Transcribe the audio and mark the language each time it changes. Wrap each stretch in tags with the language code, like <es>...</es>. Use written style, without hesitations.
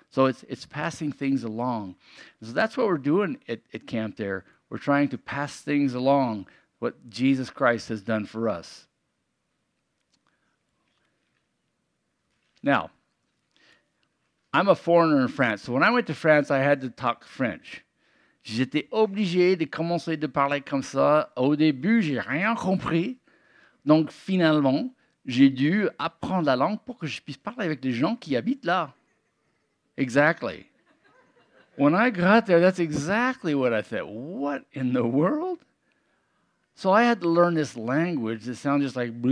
<en>So it's passing things along. So that's what we're doing at Camp There. We're trying to pass things along, what Jesus Christ has done for us. Now, I'm a foreigner in France. So when I went to France, I had to talk French.</en> <fr>J'étais obligé de commencer de parler comme ça. Au début, j'ai rien compris. Donc finalement, j'ai dû apprendre la langue pour que je puisse parler avec les gens qui habitent là.</fr> <en>Exactly. When I got there, that's exactly what I thought. What in the world? So I had to learn this language that sounds just like...</en>